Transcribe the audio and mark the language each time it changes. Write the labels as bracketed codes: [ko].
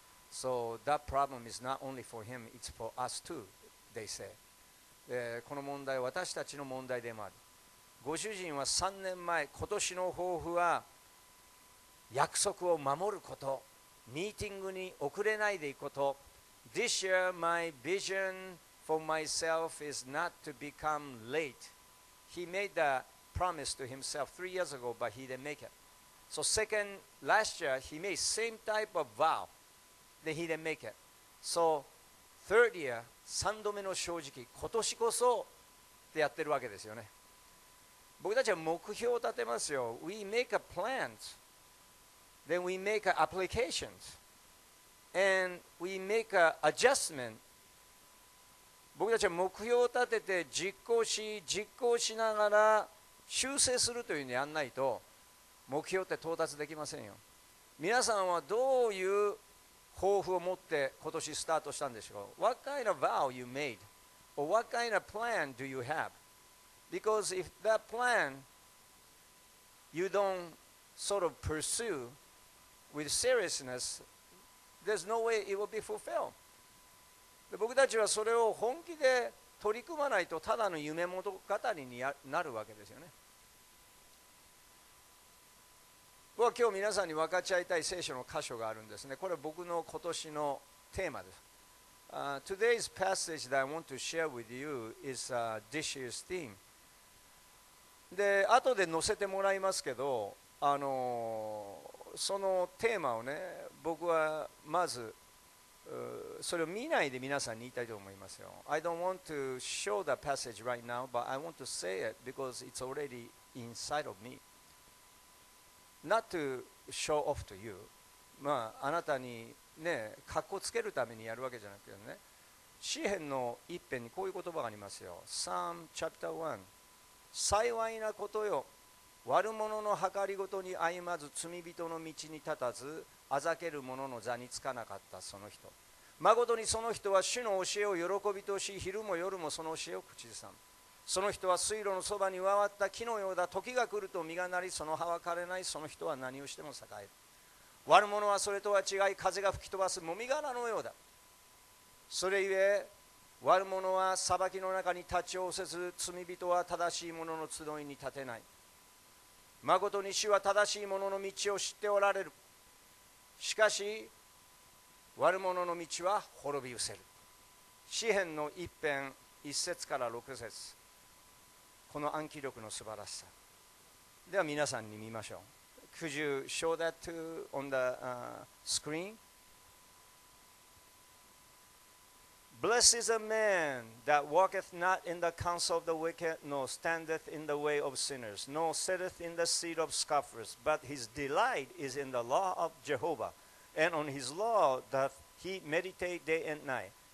[en] So that problem is not only for him, it's for us too, they say. [ja] で、この問題は私たちの問題でもある。ご主人は3年前、今年の抱負は約束を守ること、ミーティングに遅れないでいくこと。 [en] This year, my vision for myself is not to become late. He made the promise to himself 3 years ago, but he didn't make it. So second, last year, he made same type of vow, then he didn't make it. So third year, [ja] 3度目の正直、今年こそってやってるわけですよね。僕たちは目標を立てますよ。 [en] We make a plans, then we make applications, and we make an adjustment. [ja] 僕たちは目標を立てて実行しながら修正するというふうにやんないと目標って到達できませんよ。皆さんはどういう抱負を持って今年スタートしたんでしょう。 [en] What kind of vow you made? Or what kind of plan do you have? Because if that plan you don't sort of pursue with seriousness, there's no way it will be fulfilled. [ja] で、僕たちはそれを本気で取り組まないと、ただの夢物語になるわけですよね。僕は今日皆さんに分かち合いたい聖書の箇所があるんですね。これは僕の今年のテーマです。 [en] Today's passage that I want to share with you is this year's theme. [ja] で、後で載せてもらいますけど、そのテーマをね、僕はまず、それを見ないで皆さんに言いたいと思いますよ。 [en] I don't want to show the passage right now, but I want to say it because it's already inside of me. Not to show off to you. [ja] まあ、あなたにね、かっこつけるためにやるわけじゃなくてね、詩編の一編にこういう言葉がありますよ。 [en] Psalm chapter 1。 [ja] 幸いなことよ。悪者の謀りごとに歩まず、罪人の道に立たず、あざける者の座につかなかったその人。まことにその人は主の教えを喜びとし、昼も夜もその教えを口ずさむ。その人は水路のそばに植わった木のようだ。時が来ると実がなり、その葉は枯れない。その人は何をしても栄える。悪者はそれとは違い、風が吹き飛ばすもみ殻のようだ。それゆえ悪者は裁きの中に立ち寄せず、罪人は正しい者の集いに立てない。まことに主は正しい者の道を知っておられる。しかし悪者の道は滅び失せる。詩編の一編一節から六節、この暗記力の素晴らしさ、では皆さんに見ましょう。 [en] Could you show that to on the screen? Blessed is a man that walketh not in the counsel of the wicked, nor standeth in the way of sinners, nor sitteth in the seat of scoffers, but his delight is in the law of Jehovah, and on his law doth he meditate day and night.